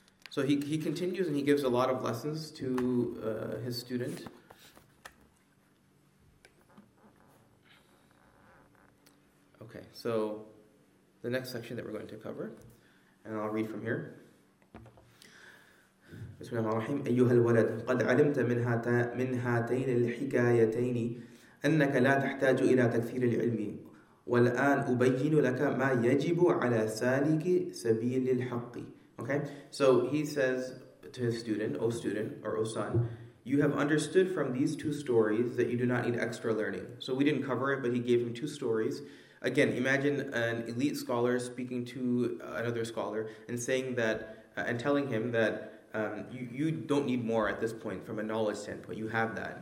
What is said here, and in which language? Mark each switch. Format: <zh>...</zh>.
<en>So he continues and he gives a lot of lessons to his student. Okay, so the next section that we're going to cover, and I'll read from here.</en> <ar>بسم الله الرحمن الرحيم أيها الولد قد علمت من هاتين الحكايتين أنك لا تحتاج إلى تكثير العلم والآن أبين لك ما يجب على سالك سبيل الحق.</ar> <en>Okay, so he says to his student, O student, or O son, you have understood from these two stories that you do not need extra learning. So we didn't cover it, but he gave him two stories. Again, imagine an elite scholar speaking to another scholar and saying that, and telling him that you don't need more at this point from a knowledge standpoint. You have that.</en>